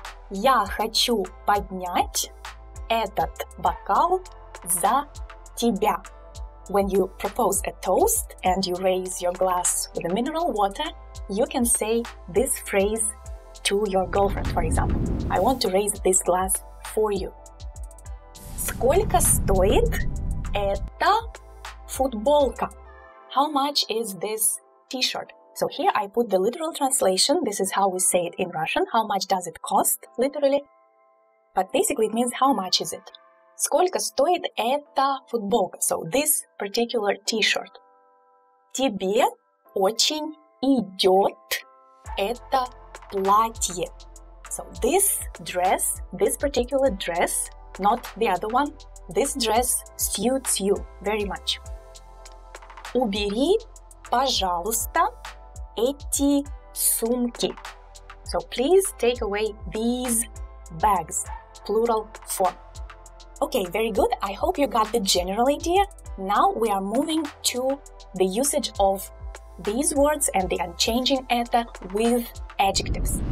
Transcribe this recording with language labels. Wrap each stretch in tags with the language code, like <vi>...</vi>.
<ru>Я хочу поднять этот бокал за тебя.</ru> <en>When you propose a toast and you raise your glass with a mineral water, you can say this phrase to your girlfriend, for example. I want to raise this glass for you.</en> <ru>Сколько стоит эта футболка?</ru> <en>How much is this t-shirt? So here I put the literal translation. This is how we say it in Russian. How much does it cost, literally? But basically it means how much is it?</en> <ru>Сколько стоит эта футболка?</ru> <en>So this particular t-shirt.</en> <ru>Тебе очень идет это платье.</ru> <en>So this dress, this particular dress, not the other one, this dress suits you very much.</en> <ru>Убери, пожалуйста, эти сумки.</ru> <en>So please take away these bags, plural form. Okay, very good. I hope you got the general idea. Now we are moving to the usage of these words and the unchanging это with adjectives.</en>